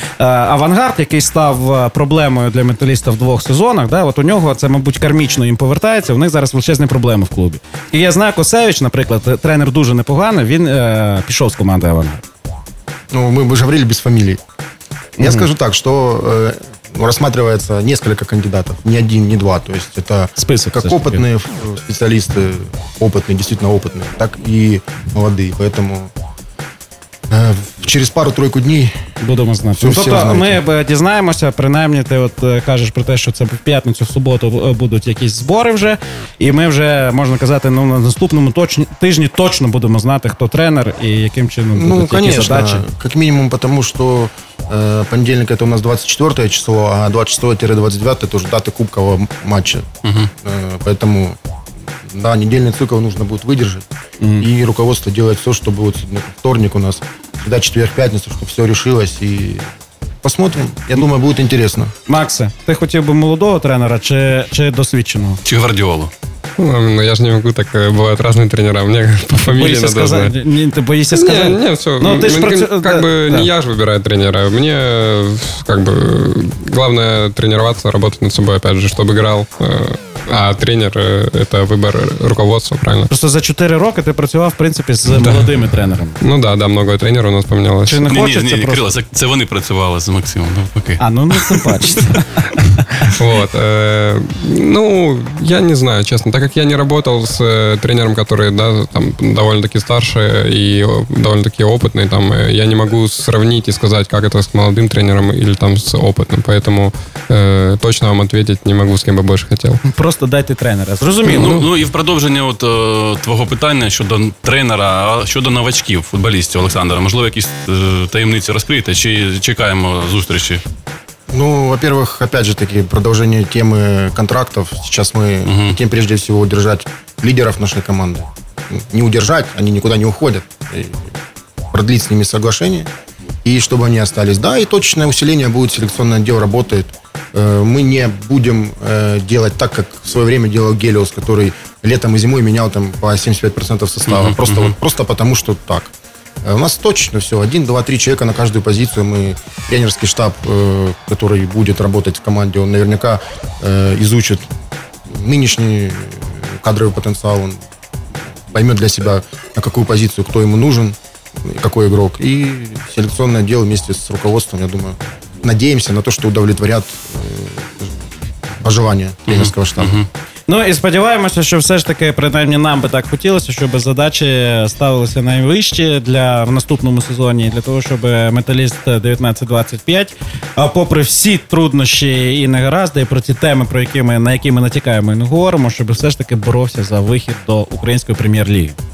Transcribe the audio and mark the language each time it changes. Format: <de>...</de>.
<uk>«Авангард», який став проблемою для «Металіста» в двох сезонах, да, от у нього це, мабуть, кармічно їм повертається, у них зараз величезні проблеми в клубі. І я знаю, Косевич, наприклад, тренер дуже непоганий, він пішов з команди «Авангард». Ну, ми б говорили без фамілій. Я скажу так, що...</uk> <ru>рассматривается несколько кандидатов, не один, не два. То есть это список, как опытные специалисты, опытные, действительно опытные, так и молодые. Поэтому через пару-тройку дней</ru> <uk>будемо знати. Все, ну, тобто, ми дізнаємося, принаймні, ти от кажеш про те, що це в п'ятницю, в суботу будуть якісь збори вже, і ми вже, можна казати, ну, на наступному тижні точно будемо знати, хто тренер і яким чином будуть, ну, які,</uk> <ru>конечно,</ru> <uk>задачі. Ну, звісно, як мінімум, тому що понедельник – це у нас 24-е число, а 26-29-е – це вже дати кубкового матчу. Угу. Тому, да, недільний цикл потрібно буде витримати, і руководство робить все, щоб от вторник у нас, да, четверг-п'ятницю, щоб все рішилось, і посмотрим. Я думаю, буде цікаво. Макси, ти хотів би молодого тренера чи досвідченого? Чи Гвардіолу?</uk> <ru>Ну, я же не могу так, бывают разные тренера, мне по фамилии боишься надо сказать? Знать. Не, ты боишься сказать? Нет, нет, все. Но ты же не я же выбираю тренера, мне как бы главное тренироваться, работать над собой, опять же, чтобы играл. А тренер – это выбор руководства, правильно?</ru> <uk>Просто за 4 роки ти працював, в принципі, з молодими тренерами. Ну так, да, много тренерів у нас помінялося. Чи не хочеться просто? Кирило, це вони працювали з Максимом, ну окей. А, ну це бачите.</uk> <ru>Вот, ну, я не знаю, честно, так как я не работал с тренером, который, да, там, довольно-таки старше и довольно-таки опытный, там, я не могу сравнить и сказать, как это с молодым тренером или там с опытным, поэтому точно вам ответить не могу, с кем бы больше хотел.</ru> <uk>Просто дайте тренера, зрозуміло. Ну, ну і в продовження от твого питання щодо тренера, щодо новачків, футболістів, Олександра, можливо, якісь таємниці розкрийте, чи чекаємо зустрічі?</uk> <ru>Ну, во-первых, опять же таки, продолжение темы контрактов. Сейчас мы хотим прежде всего удержать лидеров нашей команды. Не удержать, они никуда не уходят. И продлить с ними соглашение. И чтобы они остались. Да, и точечное усиление будет, селекционный отдел работает. Мы не будем делать так, как в свое время делал Гелиос, который летом и зимой менял там по 75% состава. Просто потому, что так. У нас точно все. 1, 2, 3 человека на каждую позицию. Мы тренерский штаб, который будет работать в команде, он наверняка изучит нынешний кадровый потенциал. Он поймет для себя, на какую позицию, кто ему нужен, какой игрок. И селекционное отдел вместе с руководством, я думаю, надеемся на то, что удовлетворят пожелания тренерского штаба.</ru> <uk>Ну і сподіваємося, що все ж таки, принаймні нам би так хотілося, щоб задачі ставилися найвищі для в наступному сезоні, для того, щоб металіст 1925, попри всі труднощі і негаразди, і про ті теми, про які ми, на які ми натякаємо і не говоримо, щоб все ж таки боровся за вихід до української прем'єр-ліги.</uk>